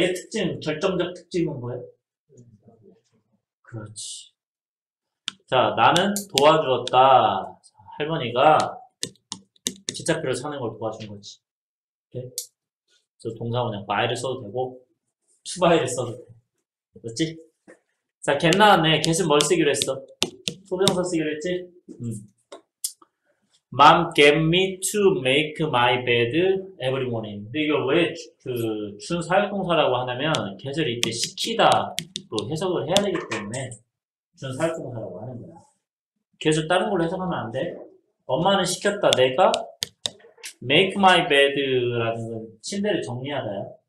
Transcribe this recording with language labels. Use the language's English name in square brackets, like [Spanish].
[Korean] 얘 특징, 결정적 특징은 뭐예요? 그렇지. 자, 나는 도와주었다. 할머니가 기차표를 사는 걸 도와준 거지. 오케이? 그래서 동사원 그냥 buy를 써도 되고 to buy를 써도 돼. 그렇지? 자, get 나왔네. get은 뭘 쓰기로 했어? 소명사 쓰기로 했지? [English] Mom get me to make my bed every morning. [Korean] 근데 이거 왜 준 사역동사라고 하냐면 get을 이때 시키다 또 해석을 해야 되기 때문에 준 사역동사라고 하는 거야. 계속 다른 걸로 해석하면 안 돼. 엄마는 시켰다. 내가 [English] make my bed [Korean] 라는 건 침대를 정리하다야.